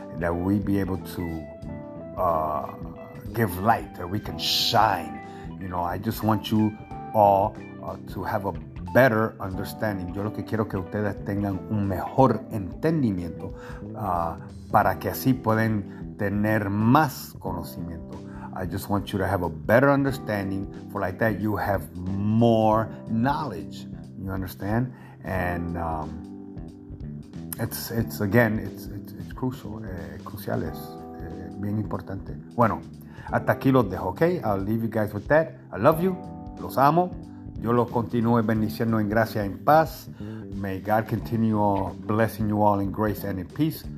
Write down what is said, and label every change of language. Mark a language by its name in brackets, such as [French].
[English] That we be able to give light, that we can shine. You know, I just want you all to have a better understanding. [Spanish] Yo lo que quiero que ustedes tengan un mejor entendimiento para que así puedan tener más conocimiento. [English] I just want you to have a better understanding, for like that you have more knowledge. You understand? And it's crucial. [Spanish] Crucial es bien importante. Bueno, hasta aquí los dejo, okay? [English] I'll leave you guys with that. I love you. [Spanish] Los amo. Yo los continúe bendiciendo en gracia y en paz. [English] May God continue blessing you all in grace and in peace.